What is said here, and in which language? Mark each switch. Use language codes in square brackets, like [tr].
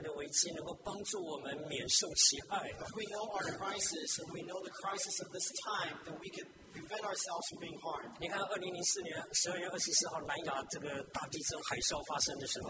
[zh] 弟兄姊妹，认识自己的危机，认识这个世代的危机，能够帮助我们免受其害。 [en] If we know our crisis and we know the crisis of this time, then we can prevent ourselves from being harmed. [zh] 你看，2004年12月24号南亚这个大地震海啸发生的时候。